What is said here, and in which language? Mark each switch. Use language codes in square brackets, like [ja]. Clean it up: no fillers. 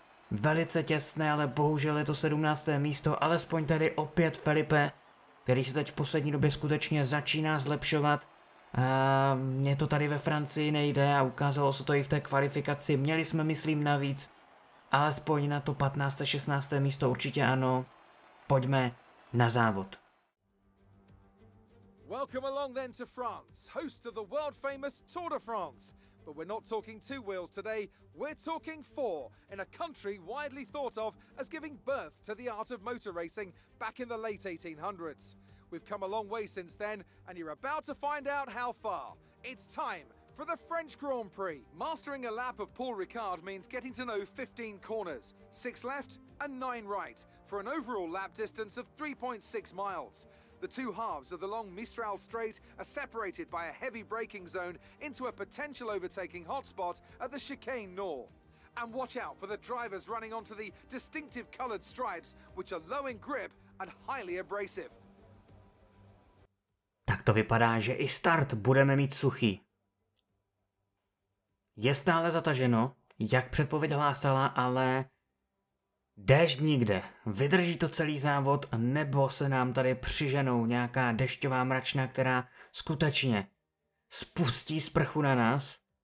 [cs] Velice těsné, ale bohužel je to 17. místo, alespoň tady opět Felipe, který se teď v poslední době skutečně začíná zlepšovat. Mně to tady ve Francii nejde a ukázalo se to i v té kvalifikaci, měli jsme myslím navíc, alespoň na to 15. 16. místo určitě ano, pojďme na závod. [en] Welcome along then to France, host of the world famous Tour de France. But we're not talking two wheels today, we're talking four, in a country widely thought of as giving birth to the art of motor racing back in the late 1800s. We've come a long way since then, and you're about to find out how far. It's time for the French Grand Prix. Mastering a lap of Paul Ricard means getting to know 15 corners, 6 left and 9 right, for an overall lap distance of 3.6 miles. The two halves of the long Mistral Strait are separated by a heavy braking zone into a potential overtaking hotspot at the Chicane Nord. And watch out for the drivers running onto the distinctive coloured stripes, which are low in grip and highly abrasive. [cs] Tak to vypadá, že i start budeme mít suchý. Je stále zataženo, jak předpověď hlásala, ale déšť nikde. Vydrží to celý závod, nebo se nám tady přiženou nějaká dešťová mračna, která skutečně spustí sprchu na nás?